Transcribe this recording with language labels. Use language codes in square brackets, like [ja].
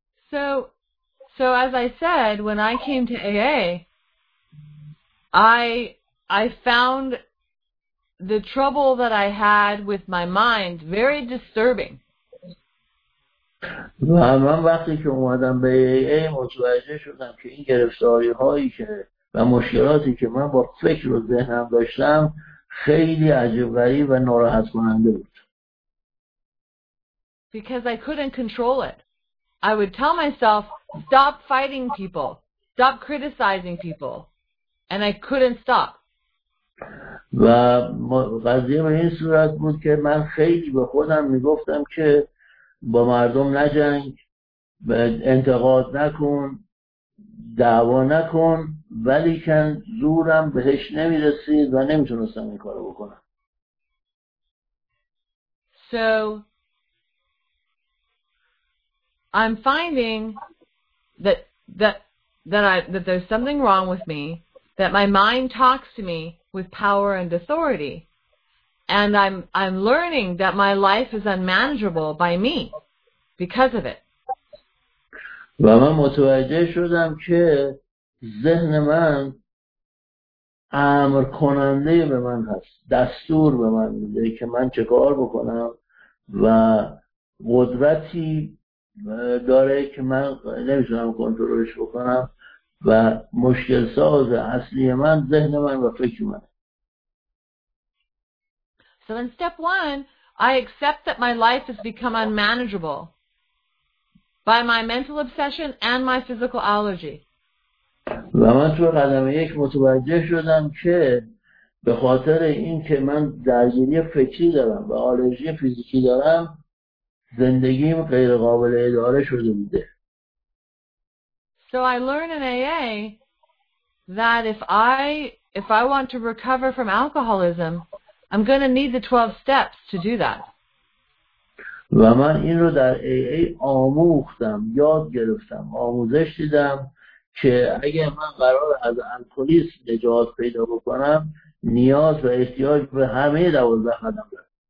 [en] So as I said, when I came to AA, I found the trouble that I had with my mind very disturbing. [fa] و من وقتی که اومدم به AA متوجه شدم که این گرفتاری هایی که و مشکلاتی که من با فکر و ذهنم داشتم خیلی عجیب غریب و ناراحت کننده بود. [en] Because I couldn't control it. I would tell myself, stop fighting people, stop criticizing people. And I couldn't stop. [fa] و قضیه به این صورت بود که من خیلی به خودم میگفتم که با مردم نجنگ، انتقاد نکن، دعوا نکن، ولی که زورم بهش نمیرسید و نمیتونستم این کارو بکنم. [en] So I'm finding that there's something wrong with me, that my mind talks to me with power and authority, and I'm learning that my life is unmanageable by me because of it. [fa] و من متوجه شدم که ذهن من امر کننده به من هست، دستور به من میده که من چه کار بکنم و قدرتی داره که من نمیتونم کنترلش بکنم و مشکل ساز اصلی من ذهن من و فکر من. [en] So in step one, I accept that my life has become unmanageable by my mental obsession and my physical allergy. [fa] و من تو قدم یک متوجه شدم که به خاطر این که من درگیری فکری دارم و آلرژی فیزیکی دارم، زندگیم غیر قابل اداره شده بوده. [en] So I learn in AA that if I want to recover from alcoholism, I'm going to need the 12 steps to do that. [fa] و من این رو در AA آموختم، یاد گرفتم، آموزش دیدم که اگه من قرار از الکلیسم نجات پیدا بکنم، نیاز و احتیاج به همه 12 قدم دارم.